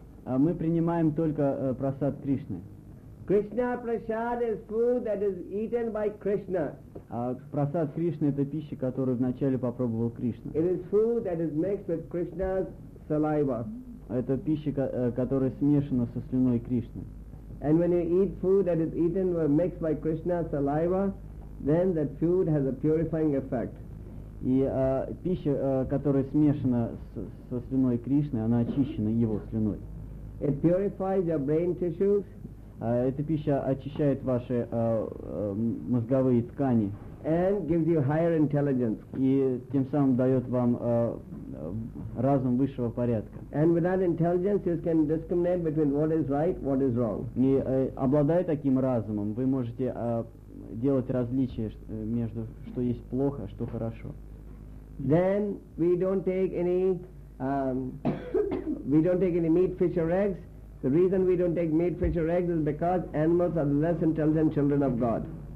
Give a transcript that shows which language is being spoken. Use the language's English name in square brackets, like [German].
[Russian] Мы принимаем только прасад Кришны. [English] Krishna prasad is food that is eaten by Krishna. [Russian] Прасад Кришны это пища, которую вначале попробовал Кришна. [English] It is food that is mixed with Krishna's saliva. [Russian] Это пища, которая смешана со слюной Кришны. [English] And when you eat food that is eaten or mixed by Krishna's saliva, then that food has a purifying effect. [Russian] И пища, которая смешана со слюной Кришны, она очищена его слюной. [English] It purifies your brain tissues. [Russian] Эта пища очищает ваши мозговые ткани. [English] And gives you higher intelligence. [Russian] И тем самым дает вам разум высшего порядка. [English] And without intelligence you can discriminate between what is right, what is wrong. [Russian] И обладая таким разумом, вы можете делать различие между что есть плохо, что хорошо. [English] Then we don't take any meat, fish or eggs. The reason we don't take meat, fish or eggs is because animals are less intelligent children of God.